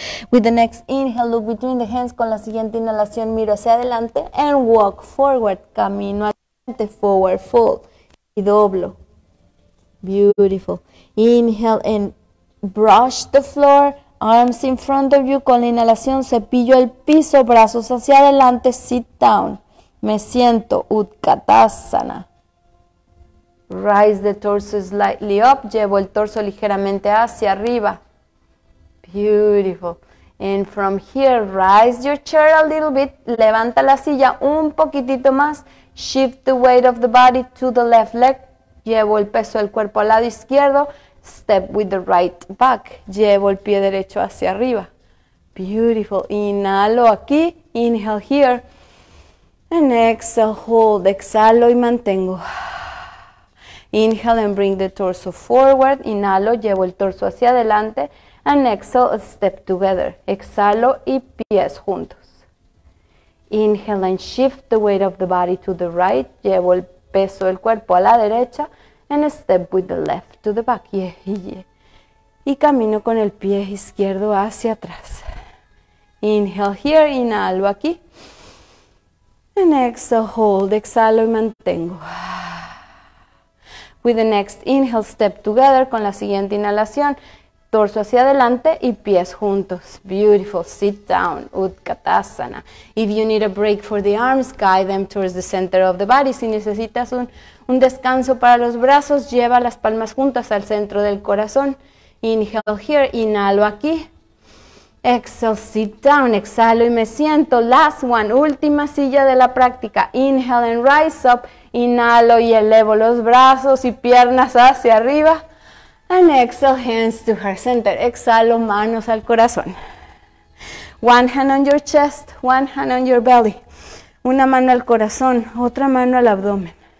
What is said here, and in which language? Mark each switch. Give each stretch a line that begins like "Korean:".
English: With the next inhale, look between the hands.
Spanish: Con la siguiente inhalación, miro hacia adelante.
English: And walk forward.
Spanish: Camino adelante.
English: Forward fold.
Spanish: Y doblo.
English: Beautiful. Inhale and brush the floor, arms in front of you.
Spanish: Con la inhalación, cepillo el piso, brazos hacia adelante,
English: sit down.
Spanish: Me siento, Utkatasana.
English: Rise the torso slightly up,
Spanish: llevo el torso ligeramente hacia arriba.
English: Beautiful. And from here, rise your chair a little bit,
Spanish: levanta la silla un poquitito más,
English: shift the weight of the body to the left leg,
Spanish: llevo el peso del cuerpo al lado izquierdo.
English: Step with the right back.
Spanish: Llevo el pie derecho hacia arriba.
English: Beautiful.
Spanish: Inhalo aquí.
English: Inhale here. And exhale, hold.
Spanish: Exhalo y mantengo.
English: Inhale and bring the torso forward.
Spanish: Inhalo, llevo el torso hacia adelante.
English: And exhale, step together.
Spanish: Exhalo y pies juntos.
English: Inhale and shift the weight of the body to the right.
Spanish: Llevo el peso del cuerpo a la derecha.
English: And step with the left to the back. Yeah, yeah.
Spanish: Y camino con el pie izquierdo hacia atrás.
English: Inhale here,
Spanish: inhalo aquí.
English: And exhale, hold,
Spanish: exhalo y mantengo.
English: With the next inhale, step together.
Spanish: Con la siguiente inhalación, torso hacia adelante y pies juntos.
English: Beautiful, sit down, Utkatasana. If you need a break for the arms, guide them towards the center of the body.
Spanish: Si necesitas un descanso para los brazos, lleva las palmas juntas al centro del corazón.
English: Inhale here,
Spanish: inhalo aquí.
English: Exhale, sit down,
Spanish: exhalo y me siento.
English: Last one,
Spanish: última silla de la práctica.
English: Inhale and rise up,
Spanish: inhalo y elevo los brazos y piernas hacia arriba.
English: And exhale, hands to heart center.
Spanish: Exhalo, manos al corazón.
English: One hand on your chest, one hand on your belly.
Spanish: Una mano al corazón, otra mano al abdomen.